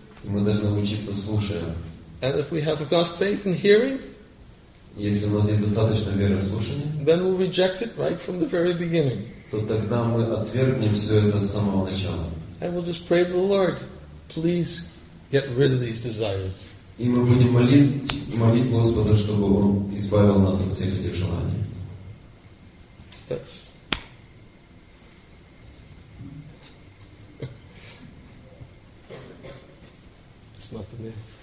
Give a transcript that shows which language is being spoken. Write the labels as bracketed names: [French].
[English] And if we have enough faith in hearing, [Russian] если у нас есть достаточно веры в слушание, [English] then we'll reject it right from the very beginning. [Russian] То тогда мы отвергнем все это с самого начала. [English] And we'll just pray to the Lord, please get rid of these desires. [Russian] И мы будем молить Господа, чтобы Он избавил нас от всех этих желаний. [English] That's it's not the name.